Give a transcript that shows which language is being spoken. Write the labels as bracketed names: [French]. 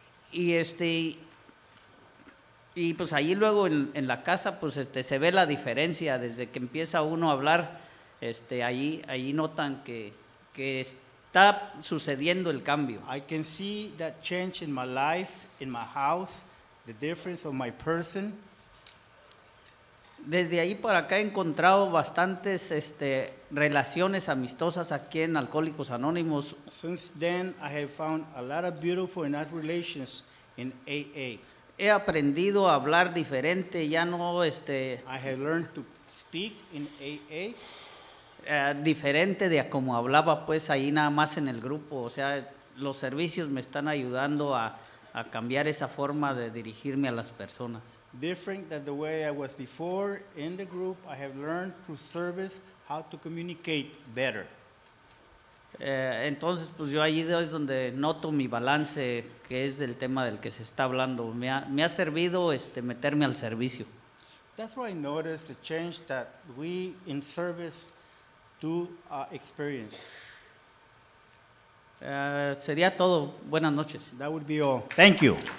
[Spanish] Y pues allí luego en la casa pues se ve la diferencia desde que empieza uno a hablar. Allí notan que está sucediendo el cambio. [English] I can see that change in my life, in my house, the difference of my person. [Spanish] Desde ahí para acá he encontrado bastantes relaciones amistosas aquí en Alcohólicos Anónimos. [English] Since then, I have found a lot of beautiful and nice relations in AA. [Spanish] He aprendido a hablar diferente, ya no [English] I have learned to speak in AA. [Spanish] Diferente de como hablaba pues ahí nada más en el grupo, o sea, los servicios me están ayudando a cambiar esa forma de dirigirme a las personas. [English] Different than the way I was before in the group, I have learned through service how to communicate better. [Spanish] Entonces pues yo allí es donde noto mi balance, que es del tema del que se está hablando. Me ha servido meterme al servicio. [English] That's why I noticed the change that we in service to experience. [Spanish] Sería todo. Buenas noches. [English] That would be all. Thank you.